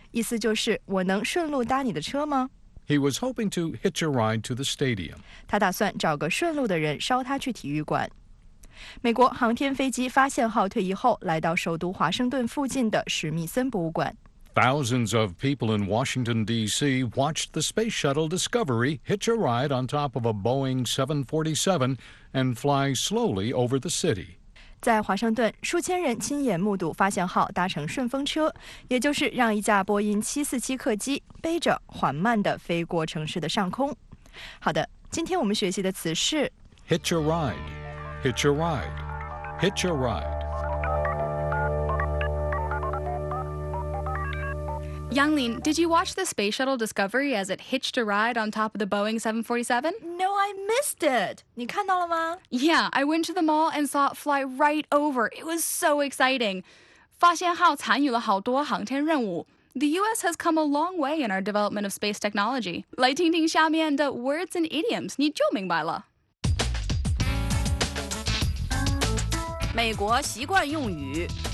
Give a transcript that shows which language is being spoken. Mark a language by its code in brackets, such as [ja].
[zh] 意思就是我能顺路搭你的车吗？ [en] He was hoping to hitch a ride to the stadium. [zh] 他打算找个顺路的人捎他去体育馆。美国航天飞机发现号退役后来到首都华盛顿附近的史密森博物馆。 [en] Thousands of people in Washington, D.C. watched the space shuttle Discovery hitch a ride on top of a Boeing 747 and fly slowly over the city. [zh] 在华盛顿，数千人亲眼目睹发现号搭乘顺风车，也就是让一架波音747客机背着缓慢地飞过城市的上空。好的，今天我们学习的词是 [en] hitch a ride, hitch a ride, hitch a ride. Yanglin, did you watch the space shuttle Discovery as it hitched a ride on top of the Boeing 747? No, I missed it. [zh] 你看到了吗? [en] Yeah, I went to the mall and saw it fly right over. It was so exciting. [zh] 发现号参与了好多航天任务。 [en] The U.S. has come a long way in our development of space technology. [zh] 来听听下面的 [en] words and idioms, [zh] 你就明白了。美国习惯用语